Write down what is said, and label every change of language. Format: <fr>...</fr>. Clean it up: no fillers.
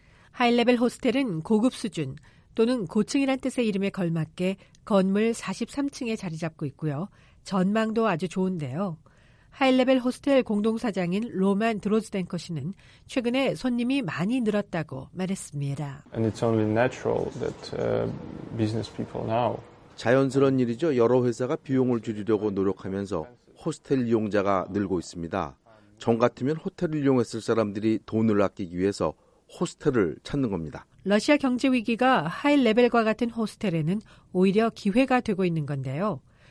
<ko>하이레벨 호스텔은 고급 수준 또는 고층이란 뜻의 이름에 걸맞게 건물 43층에 자리 잡고 있고요. 전망도 아주 좋은데요. 하이레벨 호스텔 공동사장인 로만 드로즈덴커 씨는 최근에 손님이 많이 늘었다고 말했습니다.</ko> <en>And it's only natural that business people now.</en> <ko>자연스러운 일이죠. 여러 회사가 비용을 줄이려고 노력하면서 호스텔 이용자가 늘고 있습니다. 전 같으면 호텔을 이용했을 사람들이 돈을 아끼기 위해서 호스텔을 찾는 겁니다. 러시아 경제 위기가 하이레벨과 같은 호스텔에는 오히려 기회가 되고 있는 건데요.</ko>